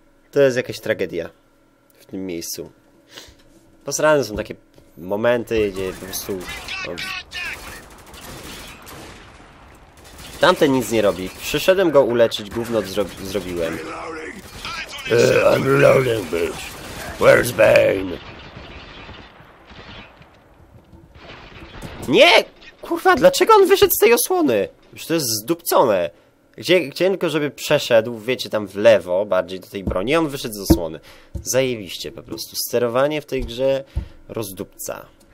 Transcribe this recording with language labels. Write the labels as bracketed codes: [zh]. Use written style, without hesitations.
[pl] To jest jakaś tragedia w tym miejscu. Posrane są takie momenty, gdzie po prostu... No. Tamten nic nie robi. Przyszedłem go uleczyć, gówno zrobiłem. [en] I'm reloading, bitch. Where's Bane? [pl] Nie! Kurwa, dlaczego on wyszedł z tej osłony? Już to jest zdupcone. Gdzie tylko, żeby przeszedł, wiecie, tam w lewo, bardziej do tej broni, on wyszedł z osłony. Zajebiście po prostu. Sterowanie w tej grze rozdupca.